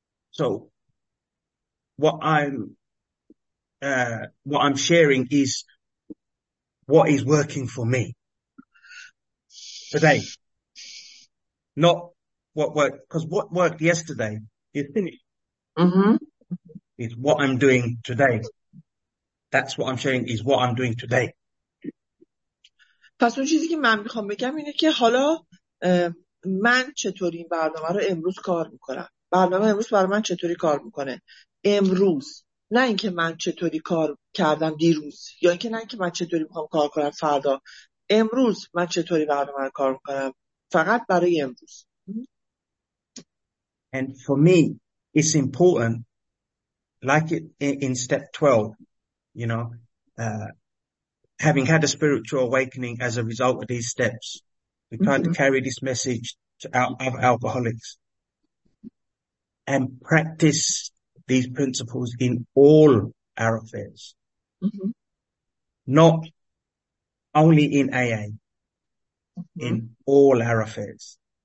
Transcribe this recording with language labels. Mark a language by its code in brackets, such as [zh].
[en] So what I'm sharing is what is working for me today, not what worked, because what worked yesterday is finished. Mm-hmm. It's what I'm doing today. That's what I'm sharing is what I'm doing today. [fa] پس اون چیزی که من میخوام بگم اینه که حالا من چطوری این برنامه رو امروز کار میکنم. برنامه امروز برای من چطوری کار میکنه امروز، نه اینکه من چطوری کار کردم دیروز، یا اینکه نه اینکه من چطوری میخوام کار کنم فردا. امروز من چطوری برنامه رو کار میکنم، فقط برای امروز. [en] And for me it's important, like it in step 12, you know, having had a spiritual awakening as a result of these steps, we try to carry this message to our alcoholics and practice these principles in all our affairs, not only in AA, in all our affairs.